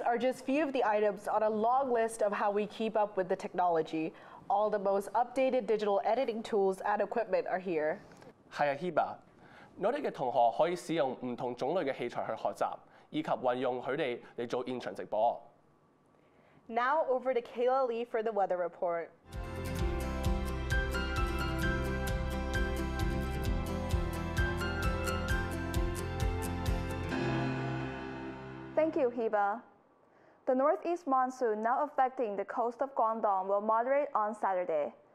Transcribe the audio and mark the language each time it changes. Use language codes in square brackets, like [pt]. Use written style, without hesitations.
[en] are just few of the items on a long list of how we keep up with the technology. All the most updated digital editing tools and equipment are here. [yue] 係啊 ，Hiba， 我哋嘅同學可以使用唔同種類嘅器材去學習，以及運用佢哋嚟做現場直播。 [en] Now over to Kayla Lee for the weather report. Thank you, Hiba. The northeast monsoon now affecting the coast of Guangdong will moderate on Saturday.